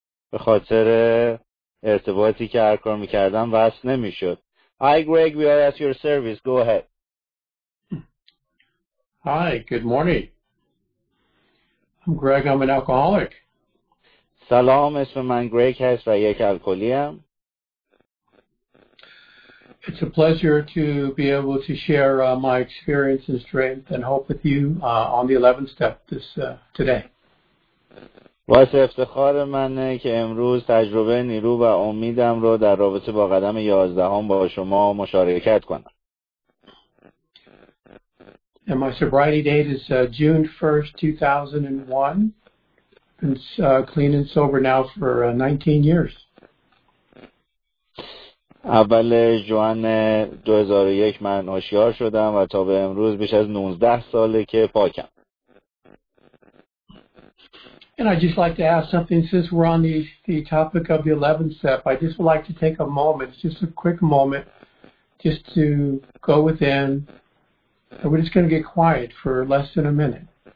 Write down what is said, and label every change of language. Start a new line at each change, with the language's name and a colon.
Persian: به خاطر ارتباطی که هر کار میکردم وصل نمیشد.
English: Hi Greg, we are at your service. Go ahead. Hi, good morning. I'm Greg, I'm an alcoholic.
Persian: سلام، اسم من گریگ هست و یک الکلی ام.
English: It's a pleasure to be able to share my experience and strength and hope with you on the 11th step today.
Persian: واسه افتخار منه که امروز تجربه نیرو و امیدم رو در رابطه با قدم 11 با شما مشارکت کنم.
English: And my sobriety date is June 1st, 2001. I've been clean and sober now for 19 years.
Persian: اول جوان 2001 من هوشیار شدم و تا به امروز بیش از 19 ساله که پاکم.
English: And I'd just like to ask something since we're on the topic of the 11th step. I just would like to take a moment, just a quick moment, just to go within. And we're just going to get quiet for less than a minute.